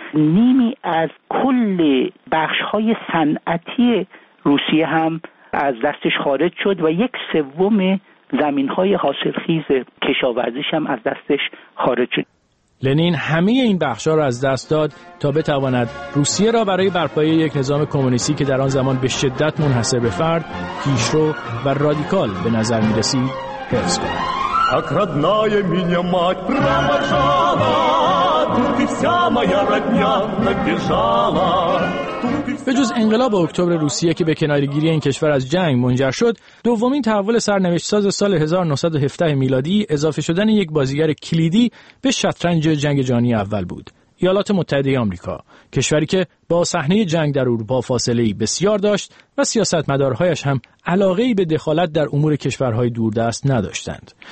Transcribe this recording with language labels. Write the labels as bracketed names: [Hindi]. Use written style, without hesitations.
[Persian] نیمی از کل بخش‌های صنعتی روسیه هم از دستش خارج شد و 1/3 زمین‌های حاصلخیز کشاورزیش هم از دستش خارج شد. لنین همه این بخش‌ها را از دست داد تا بتواند روسیه را برای برپایی یک نظام کمونیستی که در آن زمان به شدت منحصر به فرد، پیشرو و رادیکال به نظر می‌رسید، حفظ کند. [Russian] Как родная меня мать провожала, тут и вся моя родня набежала. [Persian] به جز انقلاب اکتبر روسیه که به کنارگیری این کشور از جنگ منجر شد، دومین تحول سرنوشت ساز سال 1917 میلادی اضافه شدن یک بازیگر کلیدی به شطرنج جنگ جهانی اول بود، ایالات متحده آمریکا، کشوری که با صحنه جنگ در اروپا فاصله‌ای بسیار داشت و سیاستمدارهایش هم علاقه‌ای به دخالت در امور کشورهای دوردست نداشتند.